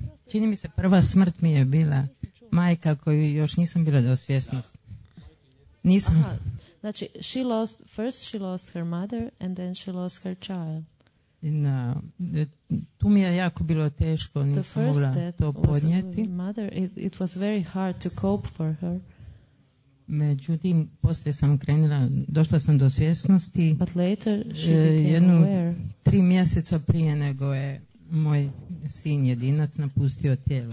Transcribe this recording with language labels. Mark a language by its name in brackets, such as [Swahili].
[Croatian] Čini mi se prva smrt mi je bila majka koju još nisam bila do svjesnosti. Nisam. Znači, [English] she lost her mother and then she lost her child. No. [Croatian] Tu mi je jako bilo teško, nisam mogla to podnijeti. [English] Mother, it was very hard to cope for her. [Croatian] Međutim, poslije sam krenula, došla sam do svjesnosti. [English] But later she [Croatian] jednu, [English] became aware. [Croatian] 3 mjeseca prije nego je moj sin jedinac napustio tijelo.